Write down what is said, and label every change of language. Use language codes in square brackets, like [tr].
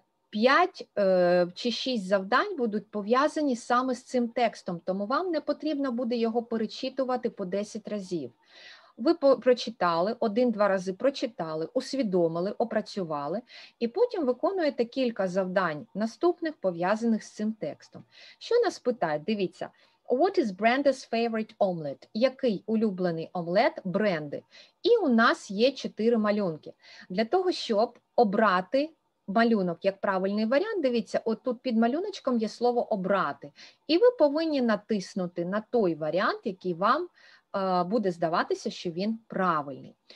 [uk] 5 чи 6 завдань будуть пов'язані саме з цим текстом, тому вам не потрібно буде його перечитувати по 10 разів. Ви прочитали, 1-2 рази прочитали, усвідомили, опрацювали, і потім виконуєте кілька завдань наступних, пов'язаних з цим текстом. Що нас питають? Дивіться. [en] What is Brenda's favorite omelet? [uk] Який улюблений омлет Бренди? І у нас є 4 малюнки. Для того, щоб обрати малюнок як правильний варіант, дивіться, отут під малюночком є слово «обрати». І ви повинні натиснути на той варіант, який вам буде здаватися, що він правильний.